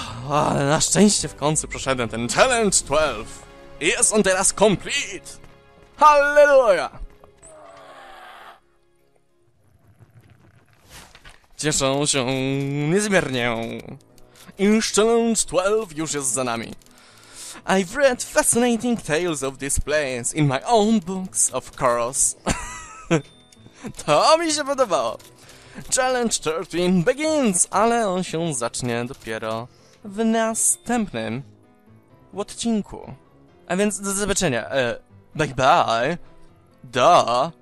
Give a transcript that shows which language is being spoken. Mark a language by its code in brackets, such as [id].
[pl] Ale na szczęście w końcu przeszedłem ten Challenge 12. I jest on teraz complete! Halleluja! Cieszę się niezmiernie. I Challenge 12 już jest za nami. [en] I've read fascinating tales of this place in my own books, of course. [pl] To mi się podobało. [en] Challenge 13 begins, [pl] ale on się zacznie dopiero w następnym odcinku. A więc do zobaczenia. [en] Bye bye. [pl] Duh.